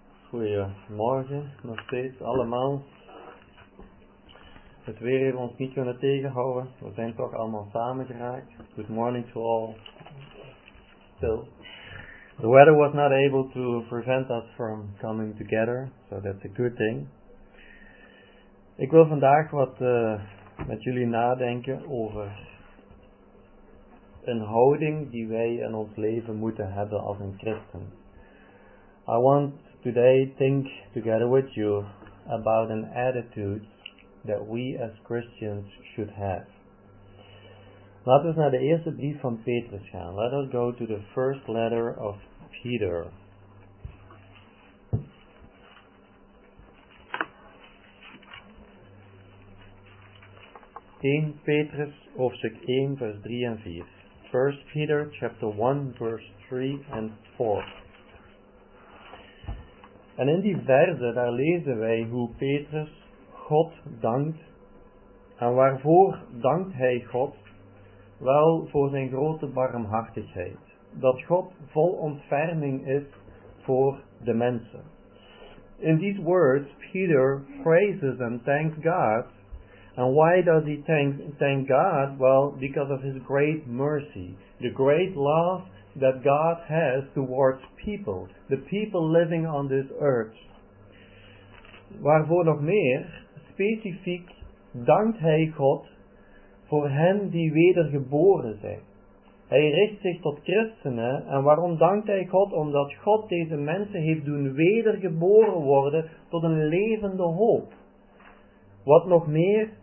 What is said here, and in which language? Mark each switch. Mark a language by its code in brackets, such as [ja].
[nl] Goedemorgen, nog steeds allemaal. Het weer heeft ons niet kunnen tegenhouden. We zijn toch allemaal samen geraakt. [en] Good morning to all. Still. The weather was not able to prevent us from coming together, so that's a good thing. [nl] Ik wil vandaag wat met jullie nadenken over een houding die wij in ons leven moeten hebben als een christen. [en] I want today think together with you about an attitude that we as Christians should have. [nl] Laten we naar de eerste brief van Petrus gaan. [en] Let us go to the first letter of Peter. [nl] Petrus, hoofdstuk 1, vers 3 en 4. [en] 1 Peter, chapter 1, verse 3 and 4. [nl] En in die verse, daar lezen wij hoe Petrus God dankt. En waarvoor dankt hij God? Wel, voor zijn grote barmhartigheid. Dat God vol ontferming is voor de mensen. [en] In these words, Peter praises and thanks God. And why does he thank God? Well, because of his great mercy. The great love that God has towards people. The people living on this earth. [nl] Waarvoor nog meer? Specifiek dankt hij God voor hen die wedergeboren zijn. Hij richt zich tot christenen. En waarom dankt hij God? Omdat God deze mensen heeft doen wedergeboren worden tot een levende hoop. Wat nog meer?